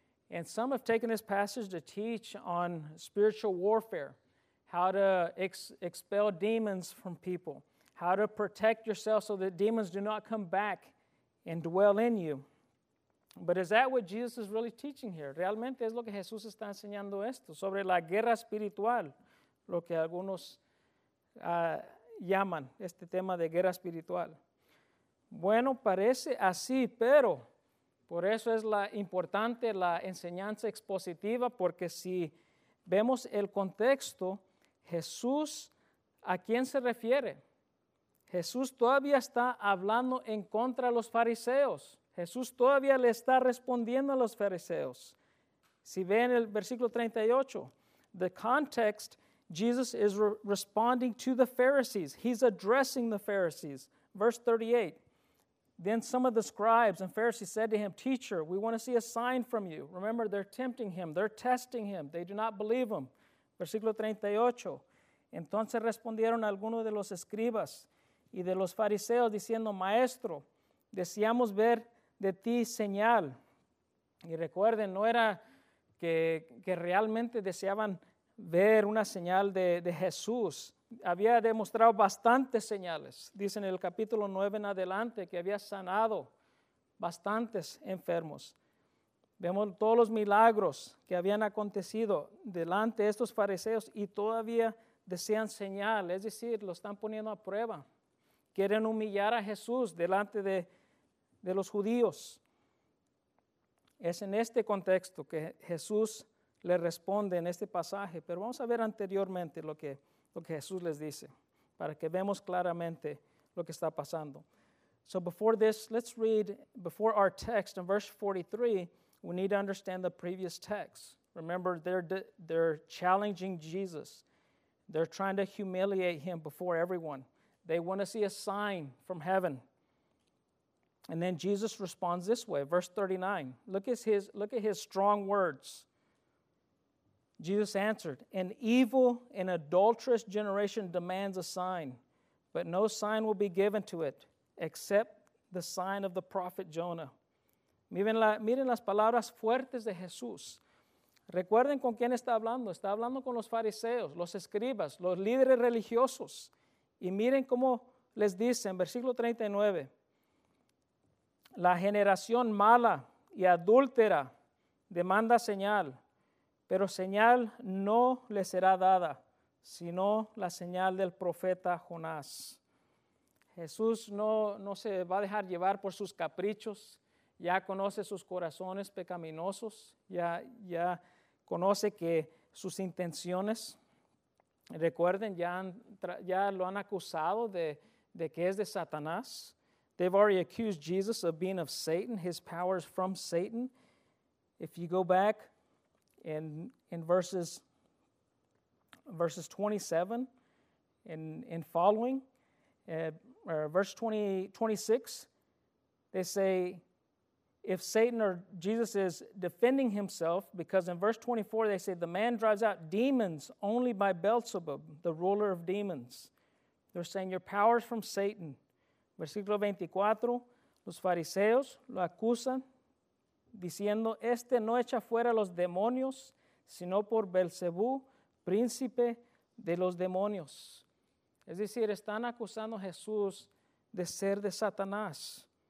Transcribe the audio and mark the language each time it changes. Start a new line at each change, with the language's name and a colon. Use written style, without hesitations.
English: And some have taken this passage to teach on spiritual warfare, how to expel demons from people, how to protect yourself so that demons do not come back and dwell in you. But is that what Jesus is really teaching here?
Spanish: Realmente es lo que Jesús está enseñando esto, sobre la guerra espiritual, lo que algunos llaman este tema de guerra espiritual. Bueno, parece así, pero por eso es la importante la enseñanza expositiva, porque si vemos el contexto, Jesús, ¿a quién se refiere? Jesús todavía está hablando en contra de los fariseos. Jesús todavía le está respondiendo a los fariseos. Si ven el versículo 38,
English: the context, Jesus is responding to the Pharisees. He's addressing the Pharisees. Verse 38, then some of the scribes and Pharisees said to him, Teacher, we want to see a sign from you. Remember, they're tempting him. They're testing him. They do not believe him.
Spanish: Versículo 38, entonces respondieron algunos de los escribas y de los fariseos diciendo, Maestro, deseamos ver de ti señal. Y recuerden, no era que realmente deseaban ver una señal de Jesús. Había demostrado bastantes señales. Dice en el capítulo 9 en adelante que había sanado bastantes enfermos. Vemos todos los milagros que habían acontecido delante de estos fariseos y todavía desean señal. Es decir, lo están poniendo a prueba. Quieren humillar a Jesús delante de los judíos. Es en este contexto que Jesús le responde en este pasaje. Pero vamos a ver anteriormente lo que Jesús les dice, para que veamos claramente lo que está pasando.
English: So before this, let's read, before our text in verse 43, we need to understand the previous text. Remember, they're challenging Jesus. They're trying to humiliate him before everyone. They want to see a sign from heaven. And then Jesus responds this way, verse 39. Look at his strong words. Jesus answered, An evil and adulterous generation demands a sign, but no sign will be given to it except the sign of the prophet Jonah.
Spanish: Miren las palabras fuertes de Jesús. Recuerden con quién está hablando. Está hablando con los fariseos, los escribas, los líderes religiosos. Y miren cómo les dice en versículo 39. La generación mala y adúltera demanda señal, pero señal no le será dada, sino la señal del profeta Jonás. Jesús no se va a dejar llevar por sus caprichos, ya conoce sus corazones pecaminosos, ya conoce que sus intenciones, recuerden, ya lo han acusado de que es de Satanás.
English: They've already accused Jesus of being of Satan. His power is from Satan. If you go back in verses 27 and following, or verse 26, they say, if Satan or Jesus is defending himself, because in verse 24, they say, the man drives out demons only by Beelzebub, the ruler of demons. They're saying, your power is from Satan.
Spanish: Versículo 24, los fariseos lo acusan diciendo, este no echa fuera los demonios, sino por Belcebú, príncipe de los demonios. Es decir, están acusando a Jesús de ser de Satanás.